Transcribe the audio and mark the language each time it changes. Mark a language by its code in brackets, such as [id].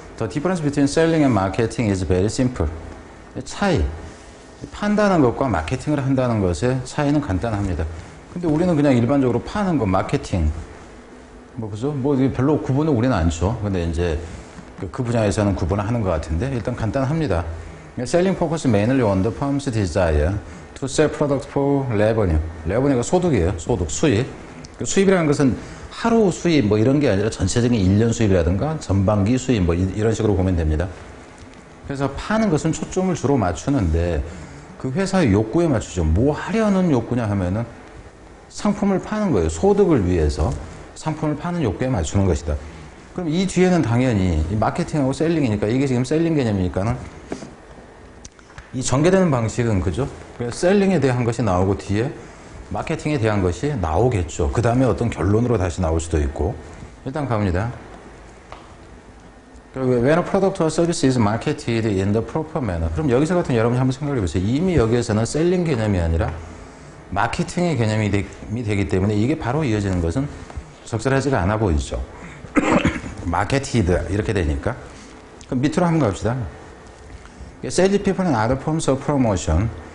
[en] The difference between selling and marketing is very simple. [ko] 차이. 판다는 것과 마케팅을 한다는 것의 차이는 간단합니다. 근데 우리는 그냥 일반적으로 파는 거, 마케팅. 뭐, 그죠? 뭐, 별로 구분을 우리는 안 줘. 근데 이제 그 분야에서는 구분을 하는 것 같은데. 일단 간단합니다. [en] Selling focuses mainly on the firm's desire to sell products for revenue. [ko] Revenue가 소득이에요. 소득, 수입. 그 수입이라는 것은 하루 수입 뭐 이런 게 아니라 전체적인 1년 수입이라든가 전반기 수입 뭐 이런 식으로 보면 됩니다. 그래서 파는 것은 초점을 주로 맞추는데 그 회사의 욕구에 맞추죠. 뭐 하려는 욕구냐 하면은 상품을 파는 거예요. 소득을 위해서 상품을 파는 욕구에 맞추는 것이다. 그럼 이 뒤에는 당연히 마케팅하고 셀링이니까 이게 지금 셀링 개념이니까는 이 전개되는 방식은 그죠? 셀링에 대한 것이 나오고 뒤에 마케팅에 대한 것이 나오겠죠. 그 다음에 어떤 결론으로 다시 나올 수도 있고. 일단 갑니다. [en] When a product or service is marketed in the proper manner. [ko] 그럼 여기서 같은 여러분이 한번 생각해 보세요. 이미 여기에서는 셀링 개념이 아니라 마케팅의 개념이 되기 때문에 이게 바로 이어지는 것은 적절하지가 않아 보이죠. marketed 이렇게 되니까. 그럼 밑으로 한번 갑시다. [en] Sales people and other forms of promotion.